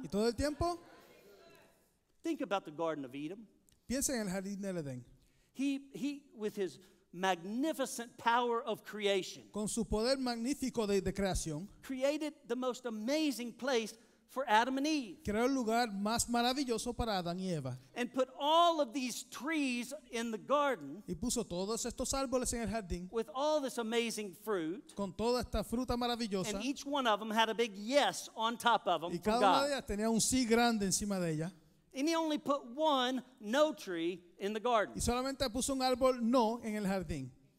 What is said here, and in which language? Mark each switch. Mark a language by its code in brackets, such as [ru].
[es] Y todo el tiempo. [en] Think about the Garden of Eden. [es] Piensa en el Jardín del Edén. [en] He with his magnificent power of creation. [es] Con su poder magnífico de creación. [en] Created the most amazing place for Adam and Eve. [es] Creó el lugar más maravilloso para Adán y Eva. [en] And put all of these trees in the garden. [es] Y puso todos estos árboles en el jardín. [en] With all this amazing fruit. [es] Con toda esta fruta maravillosa. [en] And each one of them had a big yes on top of them. [es] Y cada una de ellas tenía un sí grande encima de ella. [en] And he only put one no tree in the garden. [es] Y solamente puso un árbol no en el jardín.